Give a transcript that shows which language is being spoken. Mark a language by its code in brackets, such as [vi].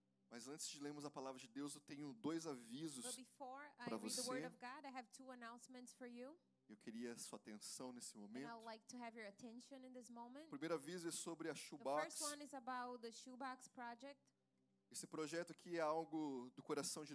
[pt] Mas antes de lermos a palavra de Deus, eu tenho dois avisos para você. [en] God, I have two announcements for you. [pt] Eu queria a sua atenção nesse momento. [en] And I'd like to have your attention in this moment. [pt] O primeiro aviso é sobre a Shoebox. [en] The first one is about the Shoebox project. [pt] Esse projeto aqui é algo do coração de